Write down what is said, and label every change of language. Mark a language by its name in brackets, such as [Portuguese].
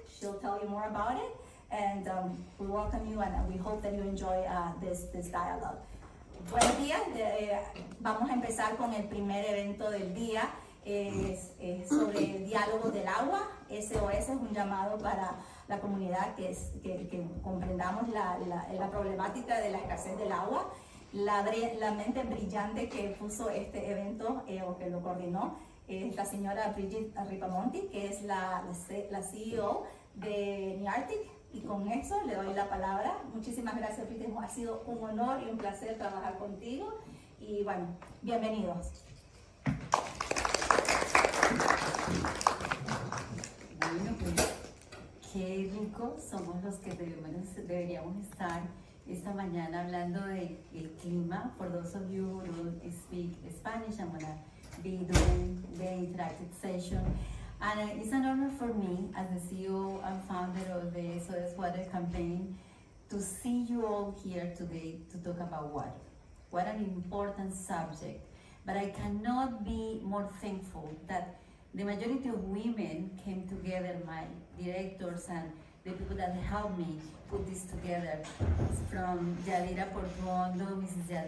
[English] She'll tell you more about it. And we welcome you and we hope that you enjoy this dialogue. [Spanish] Buenos días. Vamos a empezar con el primer evento del día. Es sobre el diálogo del agua. SOS es un llamado para la comunidad que comprendamos la problemática de la escasez del agua. La mente brillante que puso este evento o que lo coordinó es la señora Bridget Ripamonti, que es la CEO de Miartic. Y con eso le doy la palabra. Muchísimas gracias, Bridget. Ha sido un honor y un placer trabajar contigo. Y bueno, bienvenidos. Bueno, pues, qué rico somos los que deberíamos estar esta mañana hablando del clima. [English] For those of you who don't speak Spanish, I'm going to be doing the interactive session. And it's an honor for me as the CEO and founder of the SOS Water Campaign to see you all here today to talk about water. What an important subject. But I cannot be more thankful that the majority of women came together, my directors and the people that helped me put this together, from Yadira Portuondo, Mrs.